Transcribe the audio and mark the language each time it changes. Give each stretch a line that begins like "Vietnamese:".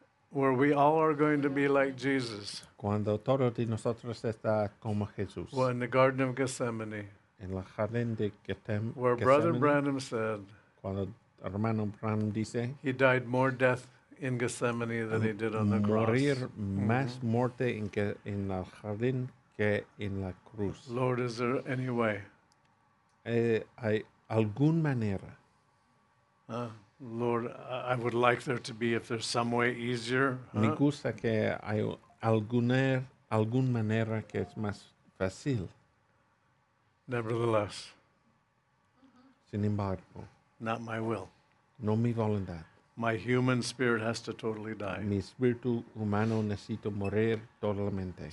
English: where we all are going to be like Jesus.
Spanish: Cuando todos de nosotros está como Jesús.
English: Well, in the Garden of Gethsemane.
Spanish: En la jardín de Gethsemane.
English: Where Brother Branham said.
Spanish: Cuando hermano Branham dice.
English: He died more death in Gethsemane than he did on the cross.
Spanish: Morir más mm-hmm. Muerte en el jardín que en la cruz.
English: Lord, is there any way?
Spanish: Hay algún manera.
English: Lord, I would like there to be, if there's some way easier. Huh?
Spanish: Me gusta que hay algún manera que es más fácil.
English: Nevertheless.
Spanish: Sin embargo.
English: Not my will.
Spanish: No mi voluntad.
English: My human spirit has to totally die.
Spanish: Mi espíritu humano necesito morir totalmente.